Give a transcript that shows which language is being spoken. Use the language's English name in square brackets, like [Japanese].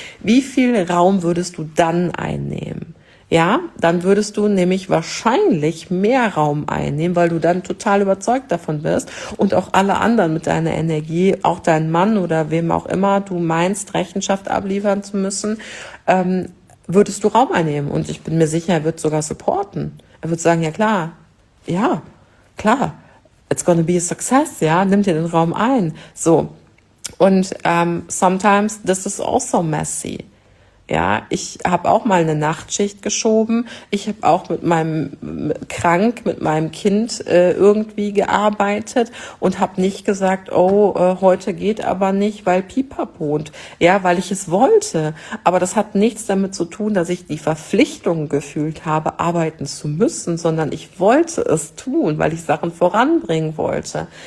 [German] Wie viel Raum würdest du dann einnehmen? Ja, dann würdest du nämlich wahrscheinlich mehr Raum einnehmen, weil du dann total überzeugt davon bist und auch alle anderen mit deiner Energie, auch deinen Mann oder wem auch immer du meinst, Rechenschaft abliefern zu müssen, würdest du Raum einnehmen. Und ich bin mir sicher, er wird sogar supporten. Er wird sagen, ja, klar, [English] it's gonna be a success, [German] ja, nimm dir den Raum ein. [English] So, [German] und [English] sometimes this is also messy. [German] Ja, ich habe auch mal eine Nachtschicht geschoben. Ich habe auch mit meinem Kind irgendwie gearbeitet und habe nicht gesagt, oh, heute geht aber nicht, weil Pipapo und, ja, weil ich es wollte. Aber das hat nichts damit zu tun, dass ich die Verpflichtung gefühlt habe, arbeiten zu müssen, sondern ich wollte es tun, weil ich Sachen voranbringen wollte.